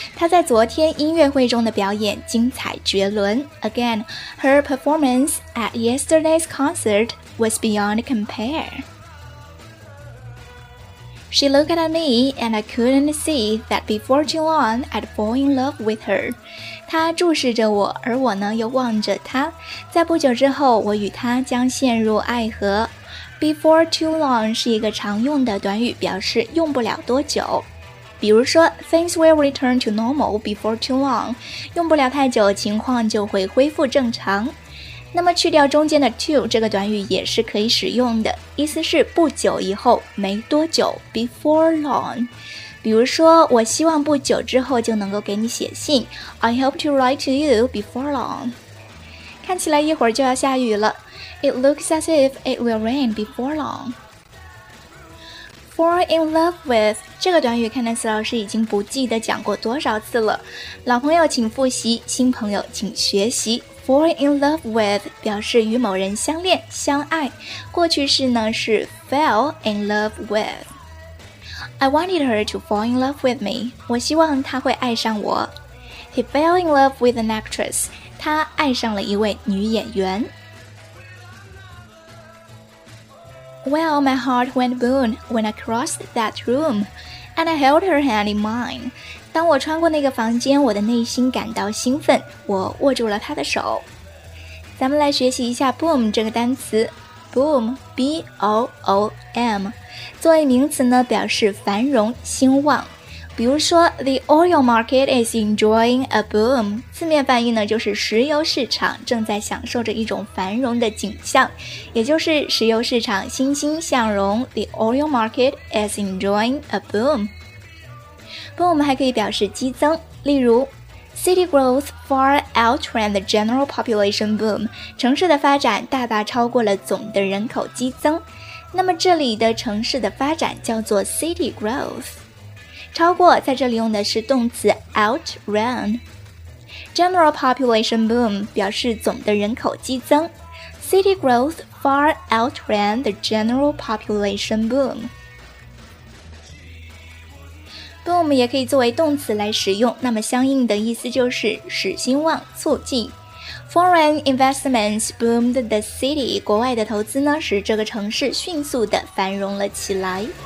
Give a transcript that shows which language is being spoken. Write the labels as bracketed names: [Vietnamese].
[Chinese] 她在昨天音乐会中的表演精彩绝伦。 [English] Again, her performance at yesterday's concert was beyond compare. She looked at me and I couldn't see that before too long I'd fall in love with her. [Chinese] 她注视着我而我呢又望着她。在不久之后我与她将陷入爱河。 [English] Before too long [Chinese] 是一个常用的短语表示用不了多久。比如说 , [English] things will return to normal before too long, [Chinese] 用不了太久情况就会恢复正常。那么去掉中间的 too, 这个短语也是可以使用的意思是不久以后没多久 , [English] before long。 [Chinese] 比如说我希望不久之后就能够给你写信 , [English] I hope to write to you before long。 [Chinese] 看起来一会儿就要下雨了。 [English] It looks as if it will rain before long. Fall in love with [Chinese] 这个短语看来斯老师已经不记得讲过多少次了。老朋友请复习，新朋友请学习。 [English] Fall in love with [Chinese] 表示与某人相恋、相爱。过去式呢是 [English] fell in love with. I wanted her to fall in love with me. [Chinese] 我希望她会爱上我。 [English] He fell in love with an actress. [Chinese] 他爱上了一位女演员。 [English] Well, my heart went boom when I crossed that room, and I held her hand in mine. [Chinese] 当我穿过那个房间，我的内心感到兴奋，我握住了她的手。咱们来学习一下 boom 这个单词。 [English] Boom, B-O-O-M. [Chinese] 作为名词呢，表示繁荣、兴旺。比如说 [English] ,the oil market is enjoying a boom. [Chinese] 字面翻译呢就是石油市场正在享受着一种繁荣的景象。也就是石油市场欣欣向荣 , [English] the oil market is enjoying a boom. Boom [Chinese] 还可以表示激增例如 [English] ,city growth far outran the general population boom. [Chinese] 城市的发展大大超过了总的人口激增。那么这里的城市的发展叫做 [English] city growth. [Chinese] 超过在这里用的是动词 outrun [English] General population boom [Chinese] 表示总的人口激增 [English] City growth far outran the general population boom [Chinese] Boom 也可以作为动词来使用那么相应的意思就是使兴旺促进 [English] Foreign investments boomed the city [Chinese] 国外的投资呢使这个城市迅速的繁荣了起来